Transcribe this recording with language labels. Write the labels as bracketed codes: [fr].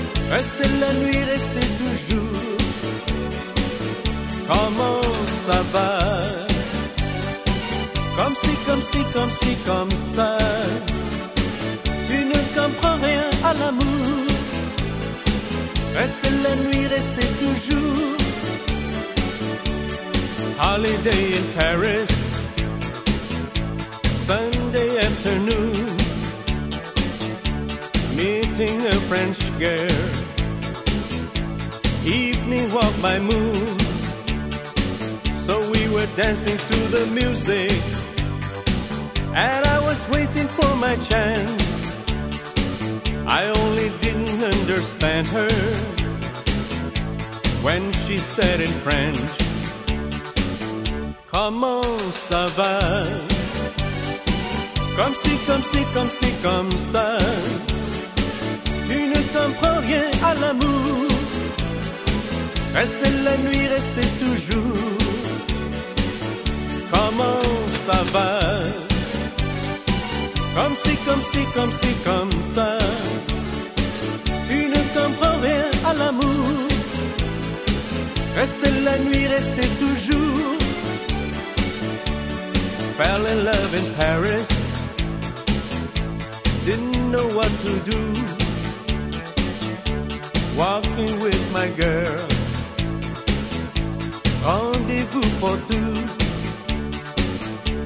[fr] Restez la nuit, restez toujours. Comment ça va? Comme si, comme si, comme si, comme ça. Tu ne comprends rien à l'amour. Restez la nuit, restez toujours. [en] Holiday in Paris, Sunday afternoon, meeting a French girl, evening walk by moon. So we were dancing to the music, and I was waiting for my chance. I only didn't understand her when she said in French, [fr] comment ça va? Comme si, comme si, comme si, comme ça. Tu ne comprends rien à l'amour. Restez la nuit, restez toujours. Comment ça va? Comme si, comme si, comme si, comme ça. Tu ne comprends rien à l'amour. Restez la nuit, restez toujours. [en] Fell in love in Paris, didn't know what to do. Walking with my girl, rendezvous for two.